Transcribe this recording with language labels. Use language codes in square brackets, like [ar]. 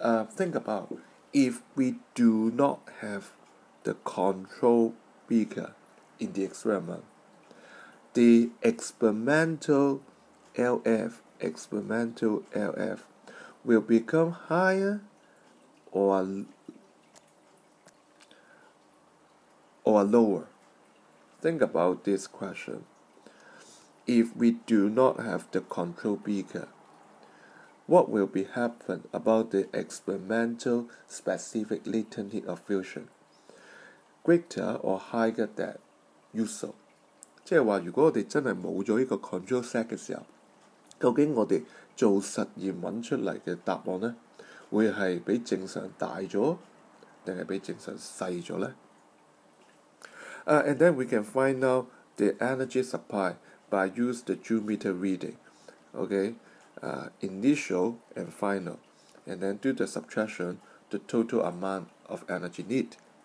[en] Think about, if we do not have the control beaker in the experiment, the experimental LF, will become higher or lower. Think about this question. If we do not have the control beaker, what will be happen about the experimental specific latent heat of fusion? Greater or higher than usual? [zh] 即是说如果我们真的没有了这个 [en] control set [zh] 的时候, 究竟我们做实验找出来的答案呢, 会是比正常大了, 还是比正常小了呢? [en] And then we can find out the energy supply by use the Joule meter reading, okay, initial and final, and then do the subtraction, the total amount of energy need.